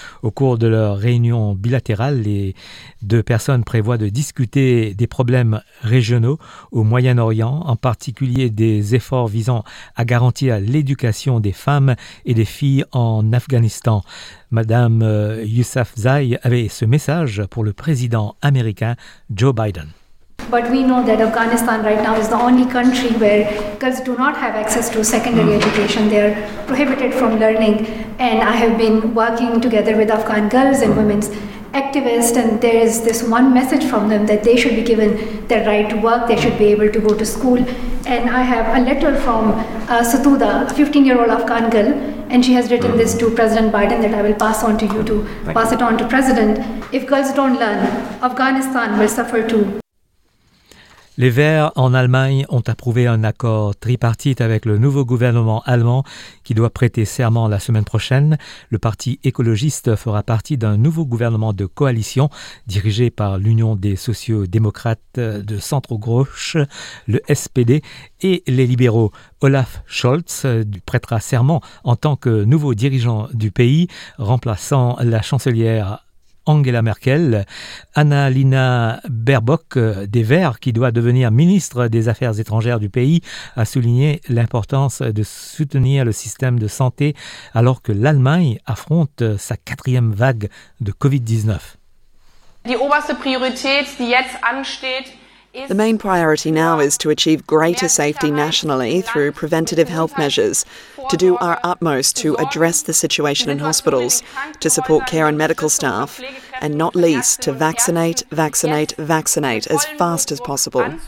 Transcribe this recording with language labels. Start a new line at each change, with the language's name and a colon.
French: Au cours de leur réunion bilatérale, les deux personnes prévoient de discuter des problèmes régionaux au Moyen-Orient, en particulier des efforts visant à garantir l'éducation des femmes et des filles en Afghanistan. Madame Yousafzai avait ce message pour le président américain Joe Biden.
English: But we know that Afghanistan right now is the only country where girls do not have access to secondary education. They are prohibited from learning. And I have been working together with Afghan girls and women's activists, and there is this one message from them that they should be given their right to work, they should be able to go to school. And I have a letter from Satuda, a 15-year-old Afghan girl, and she has written this to President Biden that I will pass on to you to pass it on to President. If girls don't learn, Afghanistan will suffer too.
French: Les Verts en Allemagne ont approuvé un accord tripartite avec le nouveau gouvernement allemand qui doit prêter serment la semaine prochaine. Le parti écologiste fera partie d'un nouveau gouvernement de coalition dirigé par l'Union des sociaux-démocrates de centre-gauche, le SPD et les libéraux. Olaf Scholz prêtera serment en tant que nouveau dirigeant du pays, remplaçant la chancelière Angela Merkel. Annalena Baerbock, des Verts, qui doit devenir ministre des Affaires étrangères du pays, a souligné l'importance de soutenir le système de santé alors que l'Allemagne affronte sa 4e vague de COVID-19.
German: Die oberste Priorität, die jetzt ansteht.
English: The main priority now is to achieve greater safety nationally through preventative health measures, to do our utmost to address the situation in hospitals, to support care and medical staff, and not least to vaccinate as fast as possible.